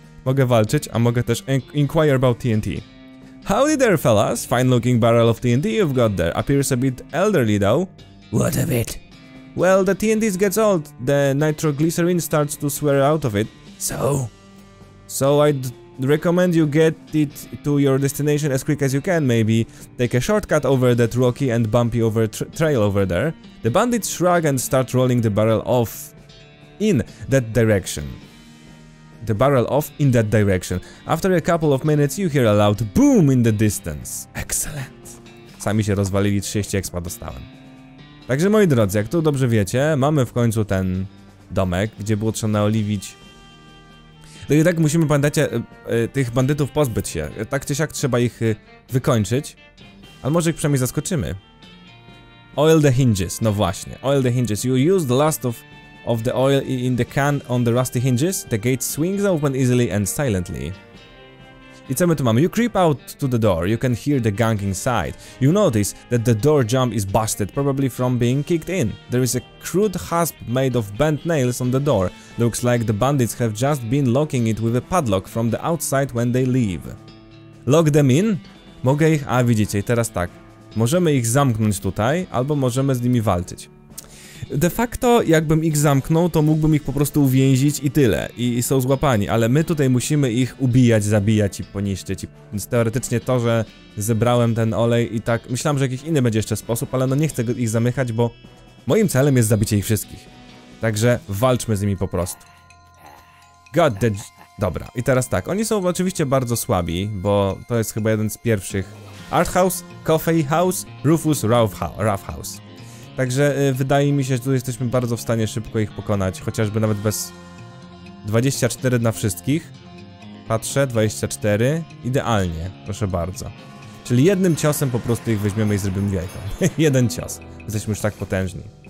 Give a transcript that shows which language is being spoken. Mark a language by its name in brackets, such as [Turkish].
[Polish] Mogę walczyć, a mogę też [English] inquire about TNT. Howdy there, fellas. Fine looking barrel of TNT you've got there. Appears a bit elderly though. What of it? Well, the TNT gets old. The nitroglycerin starts to swear out of it. So? So I'd recommend you get it to your destination as quick as you can, maybe. Take a shortcut over that rocky and bumpy over trail over there. The bandits shrug and start rolling the barrel off in that direction. The barrel off in that direction. After a couple of minutes, you hear a loud boom in the distance. Excellent. [Polish] Sami się rozwalili, 30 expa dostałem. Także moi drodzy, jak tu dobrze wiecie, mamy w końcu ten domek, gdzie było trzeba naoliwić. No i tak musimy, pamiętacie, tych bandytów pozbyć się. Tak czy siak trzeba ich wykończyć. Ale może ich przynajmniej zaskoczymy. [English] Oil the hinges, [Polish] no właśnie. [English] Oil the hinges, you use the last of the oil in the can on the rusty hinges. The gate swings open easily and silently. [Polish] I co my tu mamy? [English] You creep out to the door. You can hear the gang inside. You notice that the door jamb is busted, probably from being kicked in. There is a crude hasp made of bent nails on the door. Looks like the bandits have just been locking it with a padlock from the outside when they leave. Lock them in? [Polish] Mogę ich... A widzicie, teraz tak. Możemy ich zamknąć tutaj, albo możemy z nimi walczyć. De facto, jakbym ich zamknął, to mógłbym ich po prostu uwięzić i tyle. I są złapani, ale my tutaj musimy ich ubijać, zabijać i poniszczyć. Więc teoretycznie to, że zebrałem ten olej i tak... Myślałem, że jakiś inny będzie jeszcze sposób, ale no nie chcę ich zamykać, bo... Moim celem jest zabicie ich wszystkich. Także walczmy z nimi po prostu. [English] God the... [Polish] Dobra, i teraz tak. Oni są oczywiście bardzo słabi, bo to jest chyba jeden z pierwszych. Art House, Coffee House, Rufus Rough House. Także wydaje mi się, że tu jesteśmy bardzo w stanie szybko ich pokonać, chociażby nawet bez 24 na wszystkich. Patrzę, 24, idealnie, proszę bardzo. Czyli jednym ciosem po prostu ich weźmiemy i zrobimy wielką. Jeden cios, jesteśmy już tak potężni.